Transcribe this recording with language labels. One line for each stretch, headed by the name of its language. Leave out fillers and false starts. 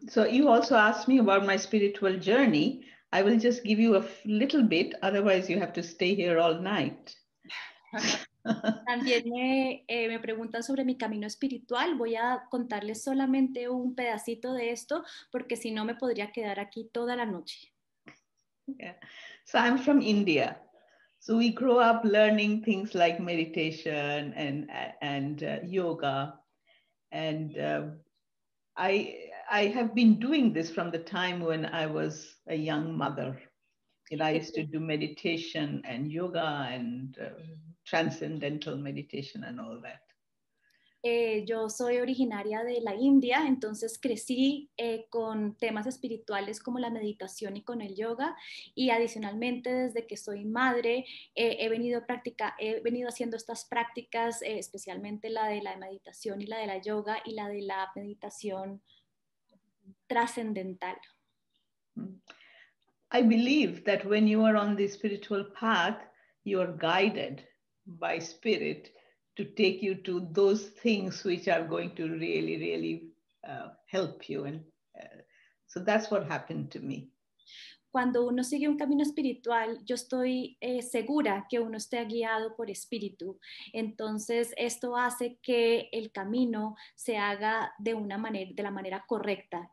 English: So you also asked me about my spiritual journey. I will just give you a little bit, otherwise you have to stay here all night.
Spanish: También me preguntan sobre mi camino espiritual. Voy a contarles solamente un pedacito de esto, porque si no me podría quedar aquí toda la noche.
English: Yeah. So I'm from India. So we grew up learning things like meditation and yoga. And I have been doing this from the time when I was a young mother. And I used to do meditation and yoga and transcendental meditation and all that.
Spanish: Yo soy originaria de la India, entonces crecí con temas espirituales como la meditación y con el yoga, y adicionalmente desde que soy madre he venido haciendo estas prácticas, especialmente la de la meditación y la de la yoga y la de la meditación trascendental.
English: I believe that when you are on the spiritual path, you are guided by spirit to take you to those things which are going to really, really help you. And so that's what happened to me.
Spanish: Cuando uno sigue un camino espiritual, yo estoy segura que uno esté guiado por espíritu. Entonces, esto hace que el camino se haga de la manera correcta.